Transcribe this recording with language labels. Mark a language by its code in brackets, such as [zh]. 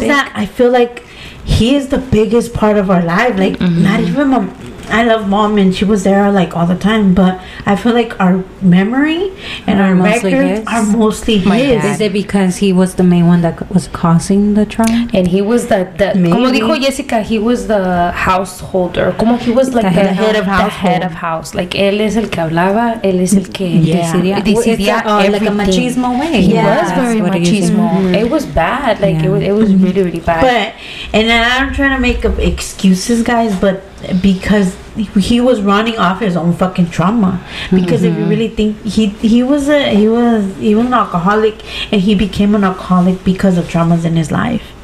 [en] Just that I feel like he is the biggest part of our life, like, not even my, I love mom and she was there like all the time, but I feel like our memory and our records are mostly his. Is it because he was the main one that was causing the trauma? And he was the [es] como dijo Jessica, [en] he was the householder. Como he was like the head of household. The head of house. [es] Like, él es el que hablaba, él es el que decidía [en] like a machismo way. He was very machismo. It was bad. Like, it was really, really bad. But, and I'm trying to make up excuses, guys, but because he was running off his own fucking trauma, because if you really think he was an alcoholic, and he became an alcoholic because of traumas in his life.